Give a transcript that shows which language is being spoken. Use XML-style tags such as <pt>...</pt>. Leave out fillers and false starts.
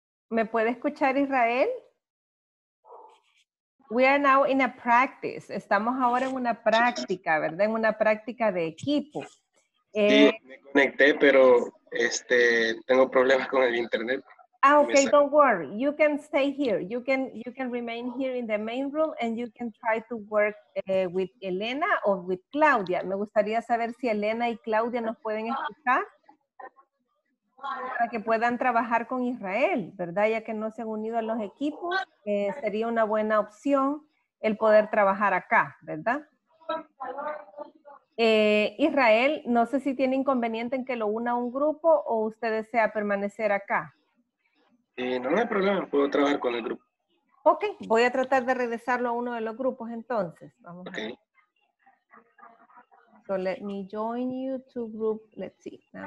<es>¿Me puede escuchar, Israel?</es> <en>We are now in a practice.</en> <es>Estamos ahora en una práctica, ¿verdad? En una práctica de equipo. Sí, me conecté, pero tengo problemas con el internet.</es> <en>Ah, okay, don't worry. You can stay here. You can remain here in the main room and you can try to work with Elena or with Claudia.</en> <es>Me gustaría saber si Elena y Claudia nos pueden escuchar para que puedan trabajar con Israel, ¿verdad? Ya que no se han unido a los equipos, sería una buena opción el poder trabajar acá, ¿verdad? Israel, no sé si tiene inconveniente en que lo una a un grupo o usted desea permanecer acá. No hay problema, puedo trabajar con el grupo. Ok, voy a tratar de regresarlo a uno de los grupos entonces. Vamos</es> <en>okay. So let me join you to group, let's see.</en>